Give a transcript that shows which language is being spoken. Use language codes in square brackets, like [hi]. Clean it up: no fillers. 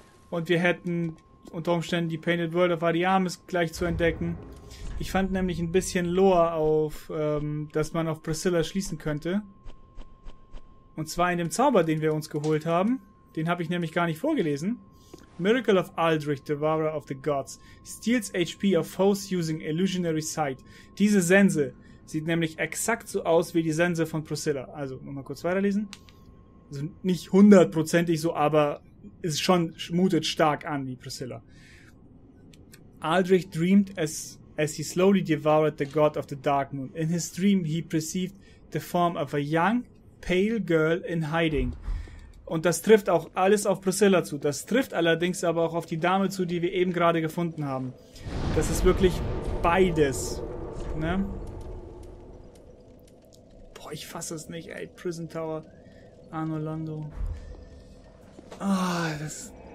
[de] Und wir hätten unter Umständen die Painted World of Ariamis gleich zu entdecken. Ich fand nämlich ein bisschen Lore auf, dass man auf Priscilla schließen könnte. Und zwar in dem Zauber, den wir uns geholt haben. Den habe ich nämlich gar nicht vorgelesen. [en] Miracle of Aldrich, Devourer of the Gods. Steals HP of foes using illusionary sight. [de] Diese Sense sieht nämlich exakt so aus wie die Sense von Priscilla. Also, nochmal kurz weiterlesen. Also nicht hundertprozentig so, aber ist schon, mutet stark an wie Priscilla. [en] Aldrich dreamed as he slowly devoured the god of the dark moon. In his dream he perceived the form of a young, pale girl in hiding. [de] Und das trifft auch alles auf Priscilla zu. Das trifft allerdings aber auch auf die Dame zu, die wir eben gerade gefunden haben. Das ist wirklich beides. Ne? Boah, ich fasse es nicht, ey. Prison Tower. Arno Londo. Ah, das.